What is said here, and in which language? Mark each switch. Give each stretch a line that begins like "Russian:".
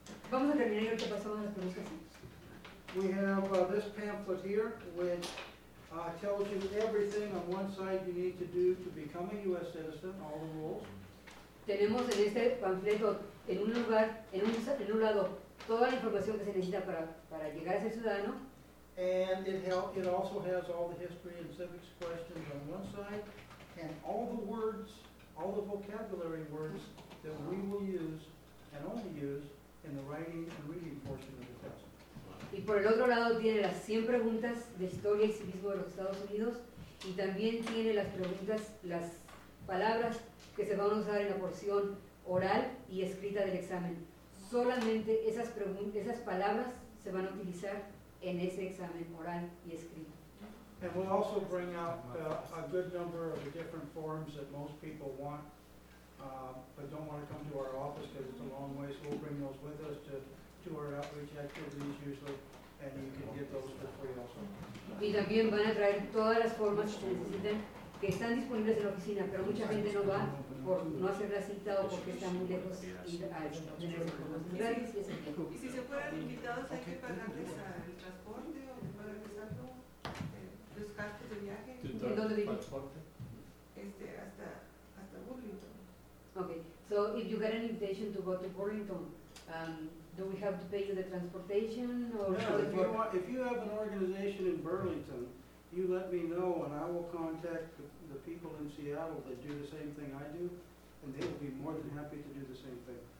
Spanish: Vamos a terminar y ahorita pasamos a las preguntas.
English: We have this pamphlet here, which tells you everything on one side you need to do to become a U.S. citizen, all the rules.
Spanish: Tenemos en este panfleto, en un lugar, en un lado, toda la información que se necesita para llegar a ser ciudadano.
English: And it also has all the history and civics questions on one side, and all the words, all the vocabulary words that we will use and only use in the writing and reading portion of the test.
Spanish: Y por el otro lado tiene las 100 preguntas de historia y civismo de los Estados Unidos, y también tiene las preguntas, las palabras que se van a usar en la porción oral y escrita del examen. Solamente esas palabras se van a utilizar en ese examen oral y escrito.
English: And we'll also bring out a good number of the different forms that most people want, but don't want to come to our office because it's a long way, so we'll bring those with us to our outreach activities usually, and you can get those for free also.
Spanish: Y también van a traer todas las formas que necesiten, que están disponibles en la oficina, pero mucha gente no va por no hacer la cita o porque está muy lejos ir a tener información. ¿Y si se fueran invitados, hay que pagarles el transporte o para regresar los gastos de viaje? ¿En dónde vive? Hasta Burlington.
English: Okay, so if you get an invitation to go to Burlington, do we have to pay you the transportation? Or no, if you have an organization in Burlington, you let me know and I will contact the people in Seattle that do the same thing I do, and they will be more than happy to do the same thing.